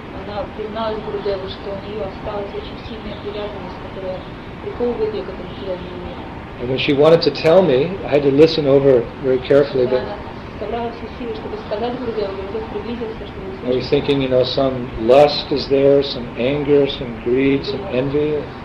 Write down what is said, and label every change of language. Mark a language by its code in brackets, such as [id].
[en] And when she wanted to tell me, I had to listen over very carefully, but [ru] собрала все силы, чтобы сказать друзьям, и вдруг приблизился, чтобы услышать. [en] Are you thinking, you know, some lust is there, some anger, some greed, some envy?